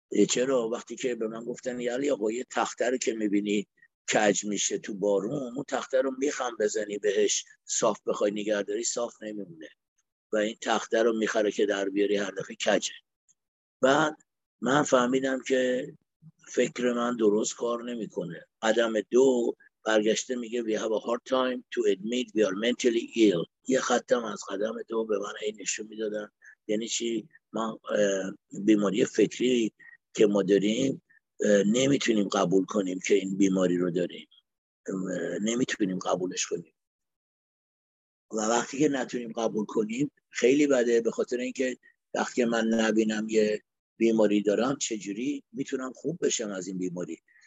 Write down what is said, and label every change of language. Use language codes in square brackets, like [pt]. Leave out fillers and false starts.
[fa] چرا؟ وقتی که به من گفتن یعنی آقا یه تخته رو که میبینی کج میشه تو بارون، اون تخته رو میخوام بزنی بهش صاف بخوای نگهداری، صاف نمیمونه و این تخته رو میخره که در بیاری هر دفعه کجه. بعد من فهمیدم که فکر من درست کار نمیکنه. قدم دو برگشته میگه [en] We have a hard time to admit we are mentally ill. [fa] یه خطم از قدم دو به من این نشون میدادن. یعنی چی؟ من بیماری فکری که ما داریم نمیتونیم قبول کنیم که این بیماری رو داریم، نمیتونیم قبولش کنیم. و وقتی که نتونیم قبول کنیم خیلی بده، به خاطر اینکه وقتی من نبینم یه بیماری دارم چجوری میتونم خوب بشم از این بیماری.